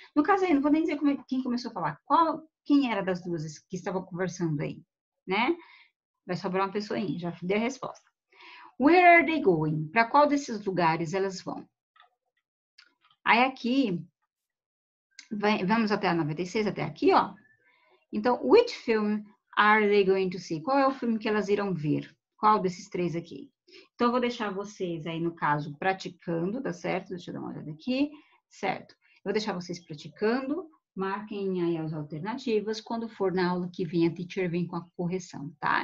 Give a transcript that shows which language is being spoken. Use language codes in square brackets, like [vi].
[pt] No caso aí, não vou nem dizer como é, quem começou a falar. Quem era das duas que estava conversando aí? Né? Vai sobrar uma pessoa aí, já dei a resposta. [en] Where are they going? [pt] Para qual desses lugares elas vão? Aí aqui, vamos até a 96, até aqui, ó. [en] Então, which film are they going to see? [pt] Qual é o filme que elas irão ver? Qual desses três aqui? Então, eu vou deixar vocês aí, no caso, praticando, tá certo? Deixa eu dar uma olhada aqui. Certo. Eu vou deixar vocês praticando. Marquem aí as alternativas. Quando for na aula que vem, a teacher vem com a correção, tá?